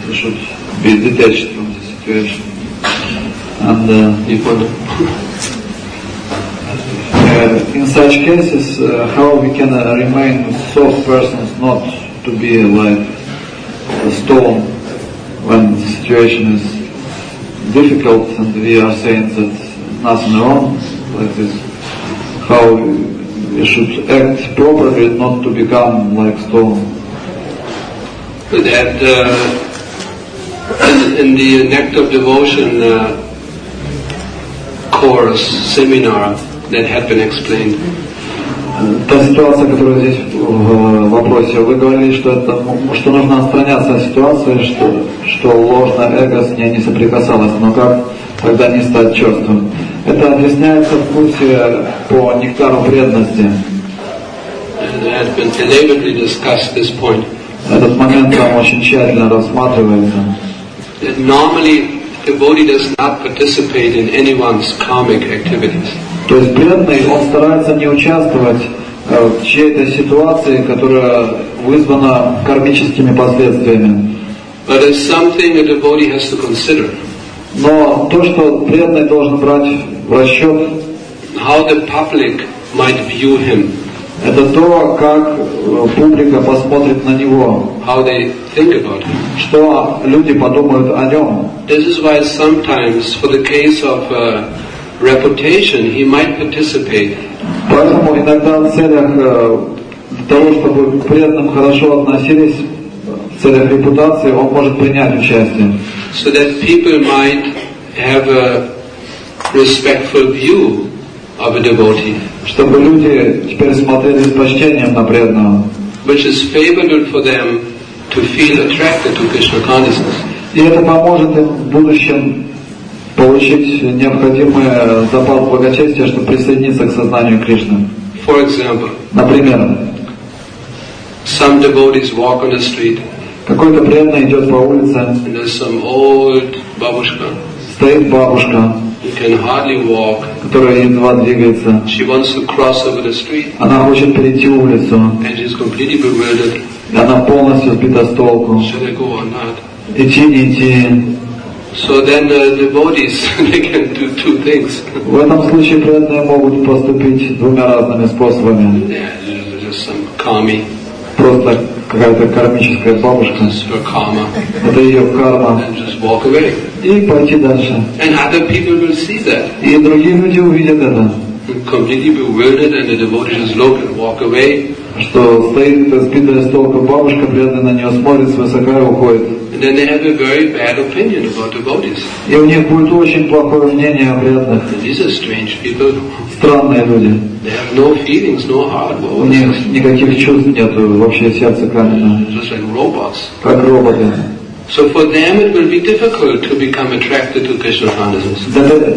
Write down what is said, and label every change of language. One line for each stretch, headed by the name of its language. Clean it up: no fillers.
English: We should be detached from the situation. And in such cases, how we can remain soft persons, not to be like a stone, when the situation is difficult and we are saying that nothing wrong, like this, how we should act properly not to become like stone. That in the Nectar of Devotion course, seminar, that had been explained.
Russian: Та ситуация, которая здесь в вопросе, вы говорили, что нужно отстраняться от ситуации, что ложное эго с ней не соприкасалось, но как тогда не стать черствым? Это объясняется в курсе по нектару преданности. Этот момент там очень тщательно рассматривается.
English: Normally, devotee does not participate in anyone's karmic activities.
Russian: То есть преданный, он старается не участвовать в чьей-то ситуации, которая вызвана кармическими последствиями.
English: But it's something a devotee has to consider.
Russian: Но то, что преданный должен брать в расчет,
English: how the public might view him.
Russian: Это то, как публика посмотрит на него.
English: How they think about him.
Russian: Что люди подумают о нем.
English: This is why sometimes, for the case of reputation, he might participate.
Russian: Поэтому иногда в целях того, чтобы к преданным хорошо относились, в целях репутации, он может принять участие.
English: So that people might have a respectful view of a devotee.
Russian: Чтобы люди теперь смотрели с почтением на преданного.
English: Which is favorable for them to feel attracted to Krishna consciousness.
Russian: И это поможет им в будущем получить необходимый запал благочестия, чтобы присоединиться к сознанию Кришны.
English: For example.
Russian: Например.
English: Some devotees walk on the street.
Russian: Какой-то преданный идет по улице.
English: And there's some old бабушка.
Russian: Стоит бабушка.
English: Can hardly walk.
Russian: Которая едва двигается.
English: She wants to cross over the street.
Russian: Она хочет перейти улицу.
English: And she's completely bewildered.
Russian: И она полностью сбита с толку.
English: Should I go or not?
Russian: Идти, не идти.
English: So then the devotees they can do two things.
Russian: В этом случае преданные могут поступить двумя разными способами. Просто какая-то кармическая бабушка. Это ее карма. И пойти дальше.
English: And other people will see that.
Russian: И другие люди увидят это.
English: Completely bewildered, and the devotee just look and walk away.
Russian: Что стоит эта сбитая с толку бабушка, преданная на нее смотрит свысока и уходит.
English: And then they have a very bad opinion about devotees.
Russian: И у них будет очень плохое мнение о преданных.
English: These are strange people.
Russian: Странные люди.
English: They have no feelings, no heart.
Russian: У них никаких чувств нет, вообще сердце каменное.
English: Just like robots.
Russian: Как роботы.
English: So for them it will be difficult to become attracted to Krishna consciousness.